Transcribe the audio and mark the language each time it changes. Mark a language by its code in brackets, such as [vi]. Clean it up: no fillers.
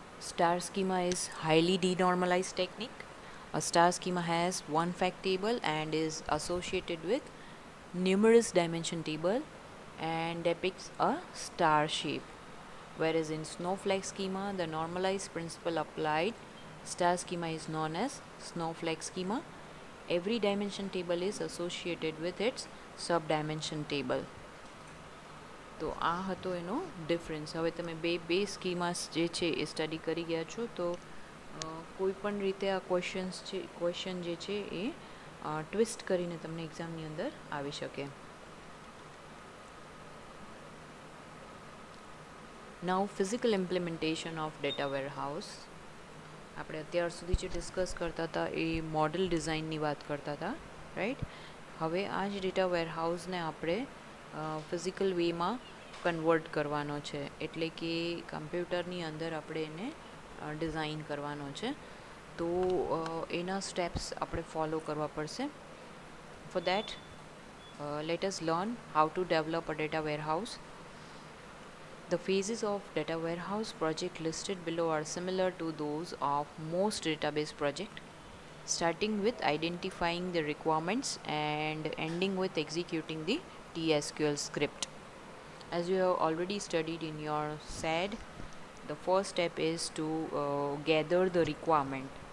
[en] Star schema is highly denormalize technique. A star schema has one fact table and is associated with numerous dimension table and depicts a star shape. Where is in snowflake schema the normalize principle applied. Star schema is known as snowflake schema. Every dimension table is associated with its sub-dimension table. [gu] તો આ હતો એનો difference. હવે તમે બે બે સ્કીમાસ જે છે એ સ્ટડી કરી ગયા છો, તો કોઈ પણ રીતે આ ક્વેશ્ચન્સ છે, ક્વેશ્ચન જે છે એ ટ્વિસ્ટ કરીને તમને એક્ઝામની અંદર આવી શકે. [en] Now physical implementation of data warehouse. [gu] આપણે અત્યાર સુધી જે ડિસ્કસ કરતા હતા એ મોડલ ડિઝાઇનની વાત કરતા હતા, રાઈટ? હવે આ જ ડેટા વેરહાઉસને આપણે ફિઝિકલ વેમાં કન્વર્ટ કરવાનો છે, એટલે કે કમ્પ્યુટરની અંદર આપણે એને ડિઝાઇન કરવાનો છે. તો એના સ્ટેપ્સ આપણે ફોલો કરવા પડશે. [en] For that let us learn how to develop a data warehouse. The phases of data warehouse project listed below are similar to those of most database project, starting with identifying the requirements and ending with executing the TSQL script. As you have already studied in your SAD, the first step is to gather the requirement.